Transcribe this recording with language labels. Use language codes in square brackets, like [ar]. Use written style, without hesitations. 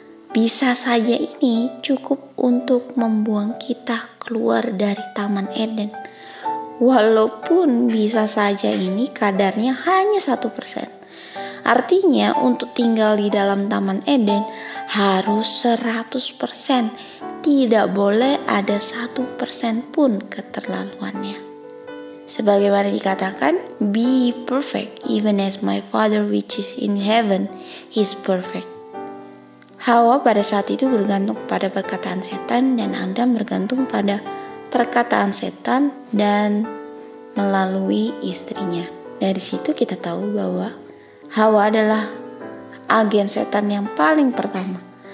[id] Bisa saja ini cukup untuk membuang kita keluar dari Taman Eden. Walaupun bisa saja ini kadarnya hanya 1%. Artinya untuk tinggal di dalam Taman Eden harus 100%. Tidak boleh ada 1% pun keterlaluannya. Sebagaimana dikatakan, [en] be perfect even as my father which is in heaven is perfect. [id] Hawa pada saat itu bergantung pada perkataan setan dan Adam bergantung pada perkataan setan dan melalui istrinya. Dari situ kita tahu bahwa Hawa adalah agen setan yang paling pertama.